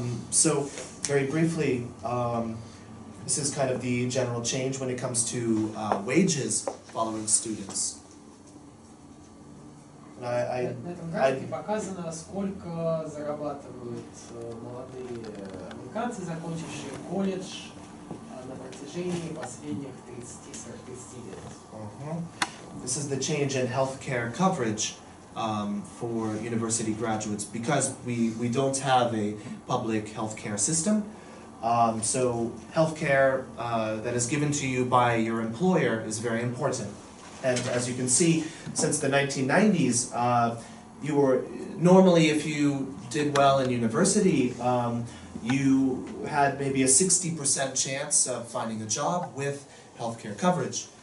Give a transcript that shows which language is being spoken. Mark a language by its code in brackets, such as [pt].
[en] So very briefly, this is kind of the general change when it comes to wages following students. [ru] На этом графике показано, сколько зарабатывают молодые американцы, закончившие колледж на протяжении последних 30-40 лет. [en] This is the change in healthcare coverage for university graduates, because we don't have a public healthcare system. So healthcare that is given to you by your employer is very important. And as you can see, since the 1990s, you were normally, if you did well in university, you had maybe a 60% chance of finding a job with healthcare coverage.